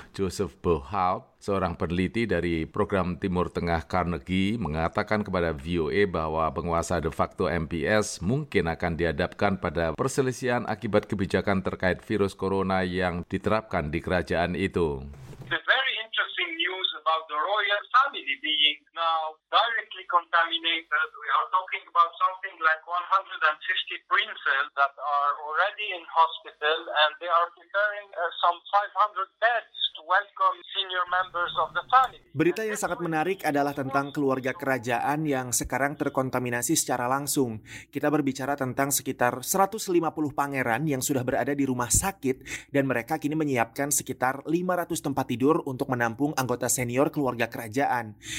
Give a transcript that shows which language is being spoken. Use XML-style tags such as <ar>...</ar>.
<id>Joseph Bohout, seorang peneliti dari program Timur Tengah Carnegie, mengatakan kepada VOA bahwa penguasa de facto MBS mungkin akan dihadapkan pada perselisihan akibat kebijakan terkait virus corona yang diterapkan di kerajaan itu.</id> <en>The very interesting news about the royal family being now directly contaminated. We are talking about something like 150 princes that are already in hospital and they are preparing some 500 beds to welcome senior members of the family.</en> <id>Berita yang sangat menarik adalah tentang keluarga kerajaan yang sekarang terkontaminasi secara langsung. Kita berbicara tentang sekitar 150 pangeran yang sudah berada di rumah sakit dan mereka kini menyiapkan sekitar 500 tempat tidur untuk menampung anggota senior keluarga kerajaan.</id>